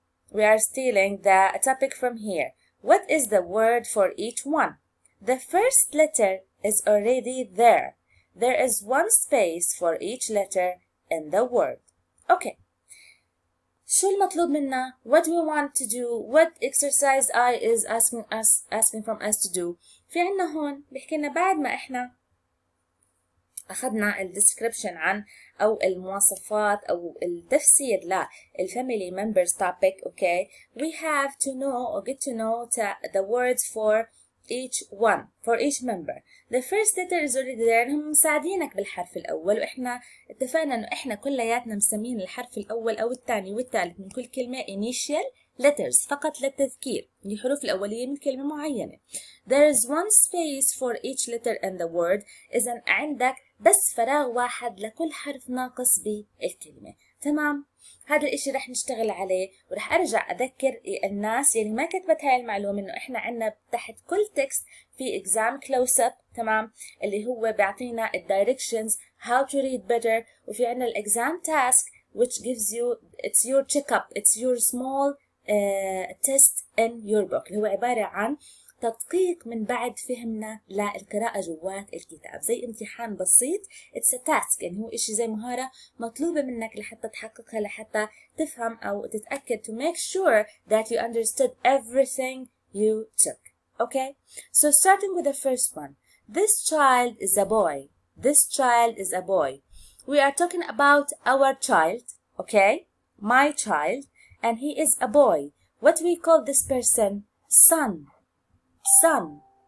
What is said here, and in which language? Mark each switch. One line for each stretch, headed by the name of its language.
English: We are stealing the topic from here. What is the word for each one? The first letter is already there. There is one space for each letter in the word. Okay.
Arabic: شو المطلوب منا?
English: What we want to do? What exercise I is asking from us to do?
Arabic: في عنا هون بيحكي لنا بعد ما احنا اخذنا الديسكريبشن عن او المواصفات او التفسير للفاميلي ممبرز topic, okay?
English: We have to know or get to know the words for each one, for each member. The first letter is already there.
Arabic: هم مساعدينك بالحرف الأول وإحنا اتفقنا أنه إحنا كلياتنا مسمين الحرف الأول أو الثاني والثالث من كل كلمة
English: initial letters
Arabic: فقط للتذكير الحروف الأولية من كلمة معينة.
English: There is one space for each letter in the word.
Arabic: إذن عندك بس فراغ واحد لكل حرف ناقص بالكلمة. تمام؟ هذا الاشي رح نشتغل عليه ورح ارجع اذكر الناس يعني ما كتبت هاي المعلومة انه احنا عنا تحت كل تكست في exam close up تمام اللي هو بيعطينا
English: directions how to read better
Arabic: وفي عنا
English: exam task which gives you it's your check up it's your small test in your book
Arabic: اللي هو عبارة عن تدقيق من بعد فهمنا للقراءة جوات الكتاب زي امتحان بسيط
English: it's a task
Arabic: يعني هو إشي زي مهارة مطلوبة منك لحتى تحققها لحتى تفهم أو تتأكد
English: to make sure that you understood everything you took. Okay, so starting with the first one, this child is a boy. This child is a boy. We are talking about our child. Okay, my child, and he is a boy. What we call this person? Son. Son.